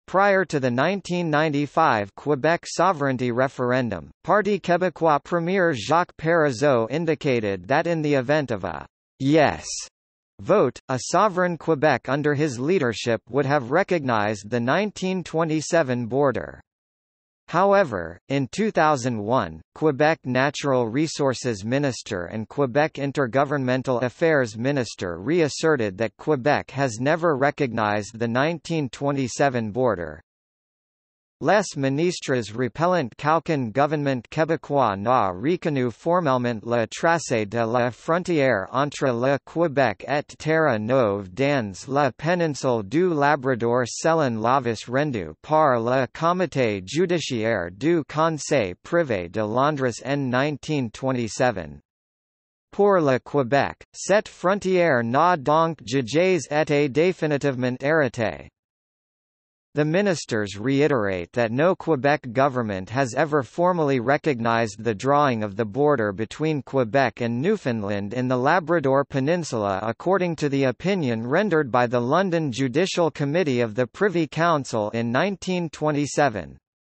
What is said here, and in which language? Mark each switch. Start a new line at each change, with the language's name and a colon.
English: Prior to the 1995 Quebec sovereignty referendum, Parti Québécois Premier Jacques Parizeau indicated that in the event of a yes vote, a sovereign Quebec under his leadership would have recognized the 1927 border. However, in 2001, Quebec Natural Resources Minister and Quebec Intergovernmental Affairs Minister reasserted that Quebec has never recognized the 1927 border.
French: Les ministres repellent qu'aucun gouvernement québécois n'a reconnu formellement le tracé de la frontière entre le Québec et Terre Neuve dans la péninsule du Labrador selon l'avis rendu par le comité judiciaire du conseil privé de Londres en 1927. Pour le Québec, cette frontière n'a donc jamais été définitivement arrêtée.
English: The ministers reiterate that no Quebec government has ever formally recognized the drawing of the border between Quebec and Newfoundland in the Labrador Peninsula according to the opinion rendered by the London Judicial Committee of the Privy Council in 1927.